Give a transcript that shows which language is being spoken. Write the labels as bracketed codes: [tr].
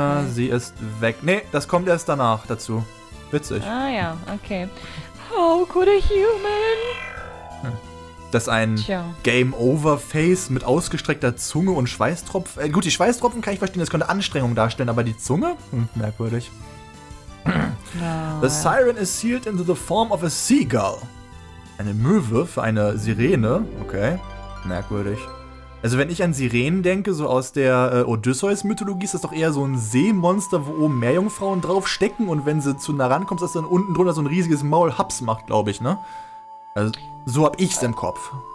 [de] Sie ist weg. Nee, das kommt erst danach dazu. Witzig. Ah ja, okay. [en] How could a human? [de] Dass ein Game-Over-Face mit ausgestreckter Zunge und Schweißtropfen... gut, die Schweißtropfen kann ich verstehen, das könnte Anstrengung darstellen, aber die Zunge? Merkwürdig. [en] Siren is sealed into the form of a seagull. [de] Eine Möwe für eine Sirene. Okay, merkwürdig. Also wenn ich an Sirenen denke, so aus der Odysseus-Mythologie, ist das doch eher so ein Seemonster, wo oben Meerjungfrauen draufstecken und wenn sie zu nah rankommst, dass dann unten drunter so ein riesiges Maul Haps macht, glaube ich, ne? Also so hab ich's im Kopf.